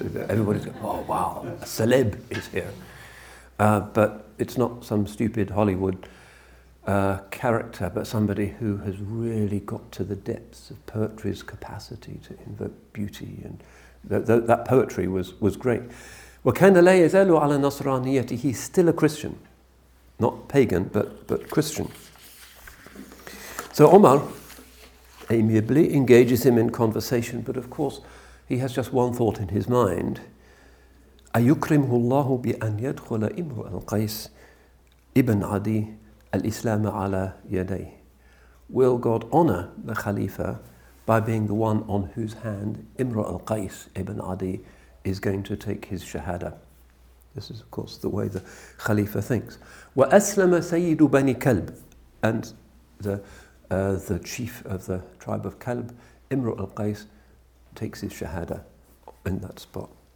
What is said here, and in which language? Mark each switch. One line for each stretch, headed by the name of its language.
English: Everybody's going, oh wow, a celeb is here. But it's not some stupid Hollywood character, but somebody who has really got to the depths of poetry's capacity to invoke beauty, and that poetry was great.
Arabic: Well, كَانَ لَا يَذَلُ عَلَى نَصْرَانِيَتِهِ.
English: He's still a Christian, not pagan, but Christian. So Omar amiably engages him in conversation, but of course he has just one thought in his mind.
Arabic: أَيُكْرِمْهُ اللَّهُ بِأَنْ يَدْخُلَ إِمْرُ الْقَيْسِ إِبْنْ عَدِي Al-Islam ala yaday.
English: Will God honour the Khalifa by being the one on whose hand Imru al-Qais ibn Adi is going to take his shahada? This is, of course, the way the Khalifa thinks.
Arabic: Wa aslama sayyidu bani kalb.
English: And the chief of the tribe of Kalb, Imru al-Qais, takes his shahada in that spot.